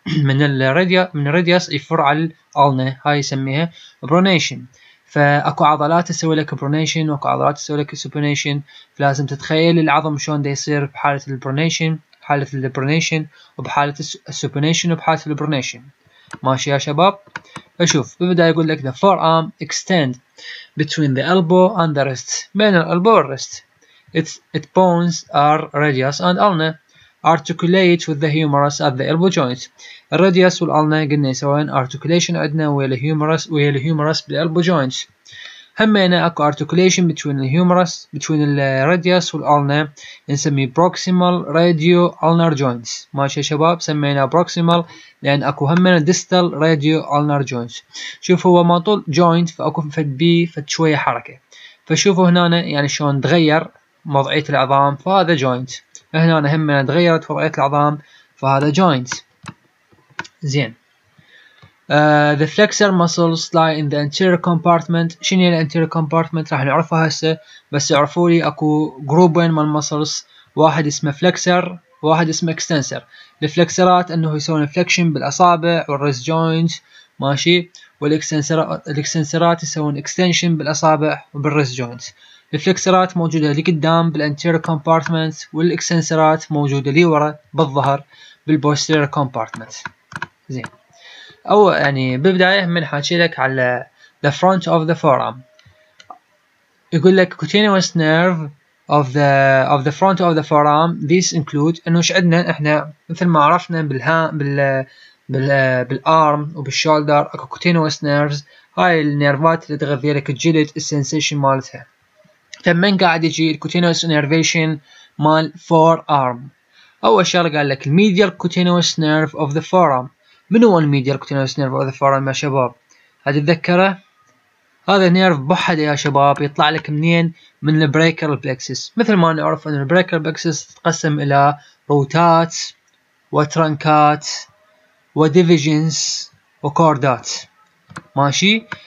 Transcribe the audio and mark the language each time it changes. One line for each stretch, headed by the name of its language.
Arabic: من الراديوس يفر على الالنا، هاي يسميها برونيشن. فاكو عضلات تسوي لك برونيشن واكو عضلات تسوي لك السوبينيشن، فلازم تتخيل العظم شلون دا يصير بحالة البرونيشن، حالة البرونيشن وبحالة السوبينيشن وبحالة البرونيشن. ماشي يا شباب؟ اشوف ببدا يقول لك
English: the forearm extend between the elbow and the wrist.
Arabic: بين الالبو والرست.
English: Its bones are radius and ulna articulate with the humerus at the elbow joint.
Arabic: الراديوس والالنا قلنا يسوون articulation عندنا ويا الهيومرس بالالبو joint. همينا اكو
English: articulation between
Arabic: الراديوس والالنا نسميه
English: proximal radio ulnar joints.
Arabic: ماشي يا شباب؟ سميناه proximal لان اكو همينا distal radio ulnar joints. شوف هو ما طول joint فاكو فد بي فد شوية حركة، فشوفوا هنا يعني شلون تغير وضعية العظام فهذا joint، هنا همينا تغيرت وضعية العظام فهذا joint.
English: زين، the flexor muscles lie in the anterior compartment.
Arabic: شنو هي الانتيريور كومبارتمنت؟ راح نعرفها هسه، بس اعرفوا لي اكو جروبين من المسلز، واحد اسمه فلكسر واحد اسمه اكستنسر. الفلكسرات انه يسوون فلكشن بالاصابع والريست جوينت، ماشي، والاكستنسرات يسوون اكستنشن بالاصابع وبالريست جوينت. الفلكسرات موجوده لقدام بالانتيريور كومبارتمنت، والاكستنسرات موجوده لورا بالظهر بالبوستيريور كومبارتمنت. زين، او يعني ببدايه من حاكي لك على
English: the front of the forearm،
Arabic: يقول لك
English: cutaneous nerve of the front of the forearm. this include
Arabic: انه ايش عندنا احنا؟ مثل ما عرفنا بالarm وبالshoulder اكو cutaneous nerves، هاي النيرفات اللي تغذي لك الجلد السنسيشن مالتها. فمن قاعد يجي cutaneous innervation مال forearm؟ اول شغله قال لك medial cutaneous nerve of the forearm. من هو الميديال كوتينوس نيرف اوف ذا فورام يا شباب؟ هل تتذكره؟ هذا نيرف بحده يا شباب يطلع لك منين؟ من البريكر بلكسس. مثل ما نعرف ان البريكر بلكسس تتقسم الى روتات وترنكات وديفيجنز وكوردات، ماشي.